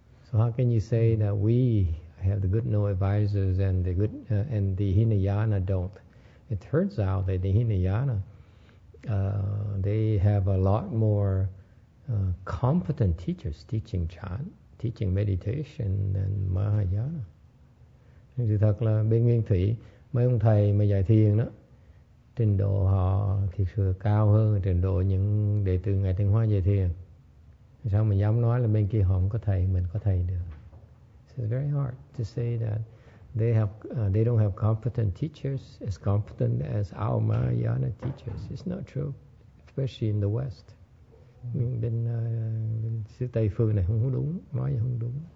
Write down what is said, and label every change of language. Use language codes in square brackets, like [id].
[en] So how can you say that we have the good no advisors and the good and the Hinayana don't? It turns out that the Hinayana, they have a lot more competent teachers teaching Chan, teaching meditation than Mahayana. [vi] Thì thật là bên nguyên thủy, mấy ông thầy mà dạy thiền đó, trình độ họ thiệt sự cao hơn trình độ những đệ tử Ngài Thiên Hóa dạy thiền. Sao mình dám nói là bên kia họ không có thầy, mình có thầy được? [en] So it's very hard to say that they don't have competent teachers as competent as our Mahayana teachers. It's not true, especially in the West. [vi] Bên sư Tây Phương này không đúng, nói gì không đúng.